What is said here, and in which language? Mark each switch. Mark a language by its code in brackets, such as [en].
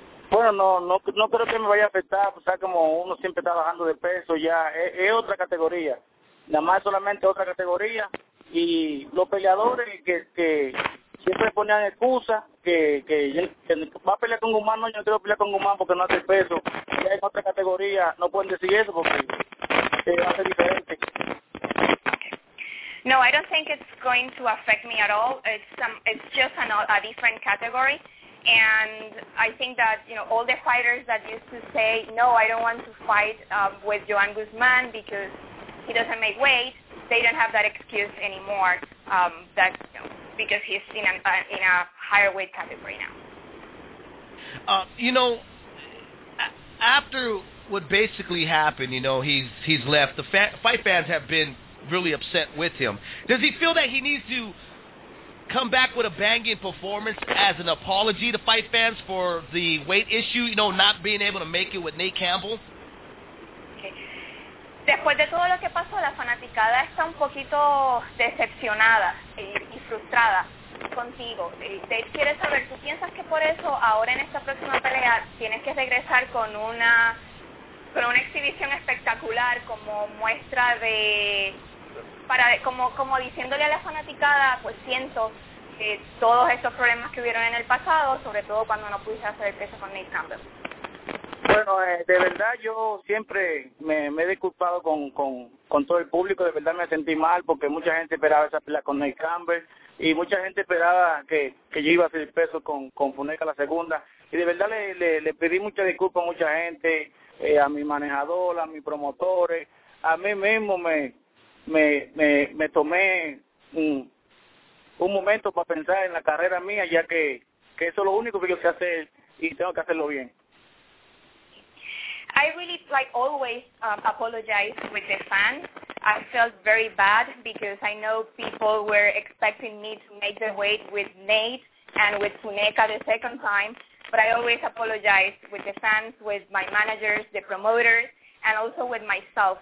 [es] Bueno, no creo que me vaya a afectar, o sea, como uno siempre está bajando de peso, ya es otra categoría, nada más solamente otra categoría, y los peleadores que siempre ponían excusa que va a pelear con Guzmán, no, yo no quiero pelear con Guzmán porque no hace peso, ya en otra categoría no pueden decir eso porque va a ser diferente. [en] No, I don't think it's going to affect me at all. It's just a different category. And I think that, you know, all the fighters that used to say, no, I don't want to fight with Joan Guzman because he doesn't make weight, they don't have that excuse anymore. That because he's in a higher weight category now. You know, after what basically happened, you know, he's left. The fight fans have been really upset with him. Does he feel that he needs to come back with a banging performance as an apology to fight fans for the weight issue, you know, not being able to make it with Nate Campbell? [es] Después de todo lo que pasó, la fanaticada está un poquito decepcionada y frustrada contigo. Dave quiere saber, ¿tú piensas que por eso ahora en esta próxima pelea tienes que regresar con una exhibición espectacular como muestra de... Como diciéndole a la fanaticada, pues siento que todos estos problemas que hubieron en el pasado, sobre todo cuando no pudiste hacer el peso con Nate Campbell? Bueno, de verdad yo siempre me he disculpado con todo el público, de verdad me sentí mal porque mucha gente esperaba esa pelea con Nate Campbell y mucha gente esperaba que yo iba a hacer el peso con Funeca la segunda y de verdad le pedí mucha disculpa a mucha gente, a mi manejador, a mis promotores, a mí mismo me tomé un momento para pensar en la carrera mía ya que eso es lo único que yo sé hacer y tengo que hacerlo bien. [en] I really, like always, apologize with the fans. I felt very bad because I know people were expecting me to make the weight with Nate and with Funeca the second time, but I always apologize with the fans, with my managers, the promoters, and also with myself.